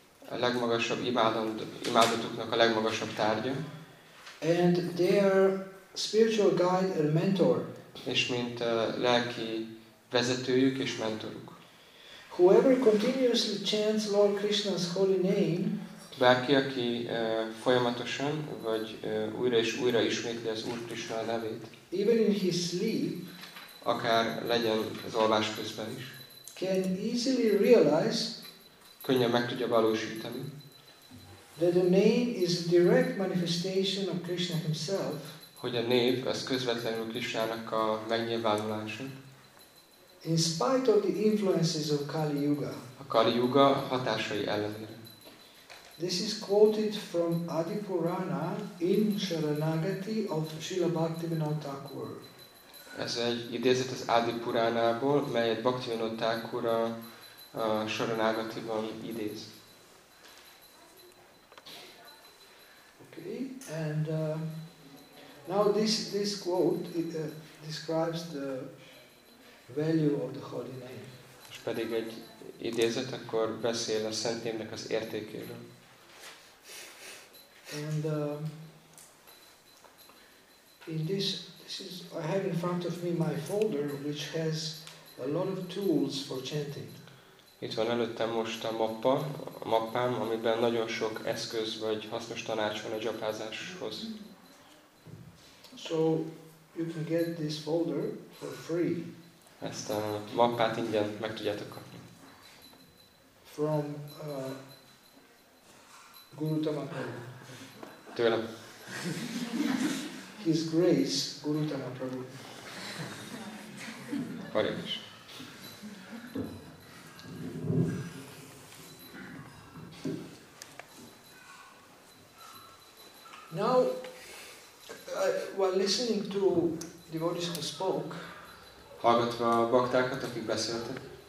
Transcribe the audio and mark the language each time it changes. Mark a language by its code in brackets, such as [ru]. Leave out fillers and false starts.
[hu] A legmagasabb imádatuknak a legmagasabb tárgya. [en] And their spiritual guide and mentor. [hu] És mint lelki vezetőjük és mentoruk. [en] Whoever continuously chants Lord Krishna's holy name. [hu] Bárki, aki folyamatosan vagy újra és újra ismétli az Úr Krishna nevét. [en] Even in his sleep. [hu] Akár legyen az alvás közben is. [en] Can easily realize. [hu] Könnyen meg tudja valósítani. [en] That the name is a direct manifestation of Krishna himself. [hu] Hogy a név az közvetlenül Krishnának a megnyilvánulása. [en] In spite of the influences of Kali Yuga. [hu] A Kali Yuga hatásai ellenére. [en] This is quoted from Adi Purana in Sharanagati of Srila Bhaktivinoda Thakur. [hu] Ez egy idézet az Adi Puránából, melyet Bhaktivinoda Thakur a Sharanagatiban idéz. [en] And now this quote describes the value of the holy name. [hu] És pedig egy idézet akkor beszél a szent névnek az értékéről. [en] And in this is I have in front of me my folder which has a lot of tools for chanting. [hu] Itt van előttem most a mappa, a mappám, amiben nagyon sok eszköz vagy hasznos tanács van a japázáshoz. [en] So you can get this folder for free. [hu] Ezt a mappát ingyen meg tudjátok kapni. [en] From Guru Tamapa. [hu] Tőlem. [en] His Grace Guru Tamapa. Hare Krishna. Now, while listening to devotees who spoke, [hu] hallgatva a baktákat, akik beszéltek,